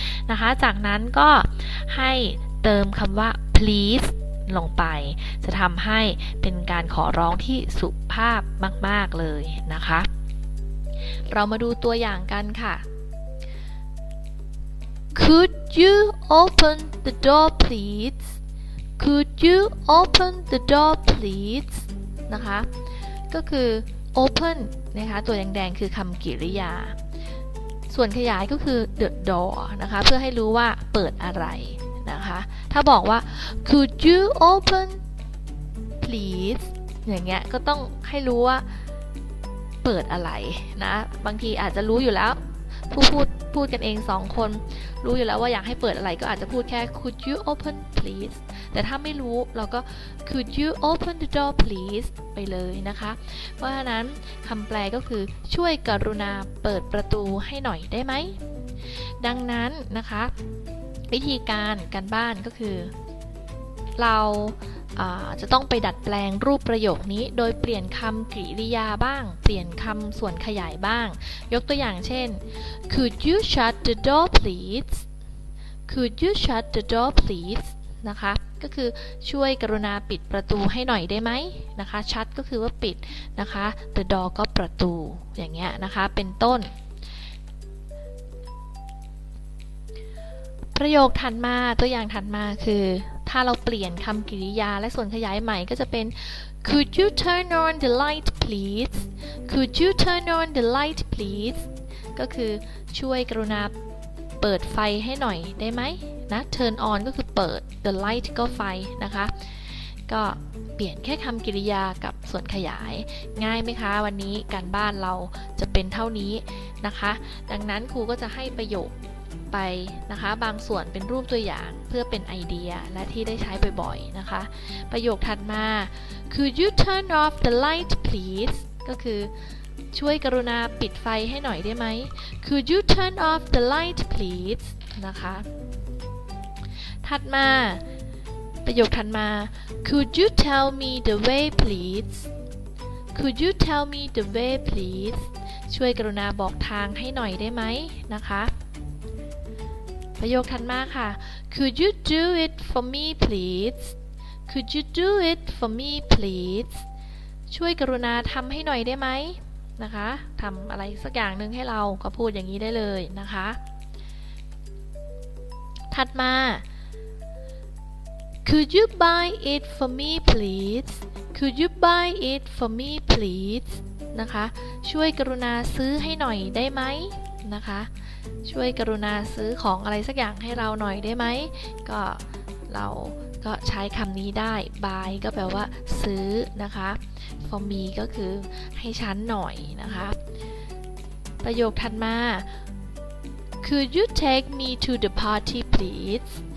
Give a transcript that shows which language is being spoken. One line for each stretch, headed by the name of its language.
Thai: นะคะจากนั้นก็ให้เติมคำว่า pleaseลงไปจะทำให้เป็นการขอร้องที่สุภาพมากๆเลยนะคะเรามาดูตัวอย่างกันค่ะ
English: Could you open the door please? Could you open the door please?
Thai: นะคะก็คือ open นะคะตัวแดงๆคือคำกริยาส่วนขยายก็คือ the door นะคะเพื่อให้รู้ว่าเปิดอะไรนะคะถ้าบอกว่า
English: could you open please
Thai: อย่างเงี้ยก็ต้องให้รู้ว่า เปิดอะไรนะบางทีอาจจะรู้อยู่แล้วพูดกันเองสองคนรู้อยู่แล้วว่าอยากให้เปิดอะไรก็อาจจะพูดแค่
English: could you open please
Thai: แต่ถ้าไม่รู้เราก็
English: could you open the door please
Thai: ไปเลยนะคะเพราะฉะนั้นคำแปลก็คือช่วยกรุณาเปิดประตูให้หน่อยได้ไหมดังนั้นนะคะวิธีการการบ้านก็คือ เราจะต้องไปดัดแปลงรูปประโยคนี้โดยเปลี่ยนคำกริยาบ้างเปลี่ยนคำส่วนขยายบ้างยกตัวอย่างเช่น
English: Could you shut the door please? Could you shut the door please?
Thai: นะคะก็คือช่วยกรุณาปิดประตูให้หน่อยได้ไหมนะคะ shut ก็คือว่าปิดนะคะ the door ก็ประตูอย่างเงี้ยนะคะเป็นต้นประโยคถัดมาตัวอย่างถัดมาคือถ้าเราเปลี่ยนคำกริยาและส่วนขยายใหม่ก็จะเป็น
English: Could you turn on the light please? Could you turn on the light please?
Thai: ก็คือช่วยกรุณาเปิดไฟให้หน่อยได้ไหมนะ turn on ก็คือเปิด the light ก็ไฟนะคะก็เปลี่ยนแค่คำกริยากับส่วนขยายง่ายไหมคะวันนี้การบ้านเราจะเป็นเท่านี้นะคะดังนั้นครูก็จะให้ประโยคไปนะคะบางส่วนเป็นรูปตัวอย่างเพื่อเป็นไอเดียและที่ได้ใช้บ่อยๆนะคะประโยคถัดมา
English: Could you turn off the light please
Thai: ก็คือ ช่วยกรุณาปิดไฟให้หน่อยได้ไหม
English: Could you turn off the light please
Thai: นะคะถัดมาประโยคถัดมา
English: Could you tell me the way please Could you tell me the way please ช่วยกรุณาบอกทางให้หน่อยได้ไหมนะคะประโยคถัดมาค่ะ Could you do it for me please? Could you do it for me please?
Thai: ช่วยกรุณาทำให้หน่อยได้ไหมนะคะทำอะไรสักอย่างนึงให้เราก็พูดอย่างนี้ได้เลยนะคะถัดมา Could you buy it for me please?
English: Could you buy it for me please?
Thai: นะคะช่วยกรุณาซื้อให้หน่อยได้ไหมนะคะช่วยกรุณาซื้อของอะไรสักอย่างให้เราหน่อยได้ไหมก็เราก็ใช้คำนี้ได้ buy ก็แปลว่าซื้อนะคะ for me ก็คือให้ฉันหน่อยนะคะประโยคถัดมา
English: Could you take me to the party please?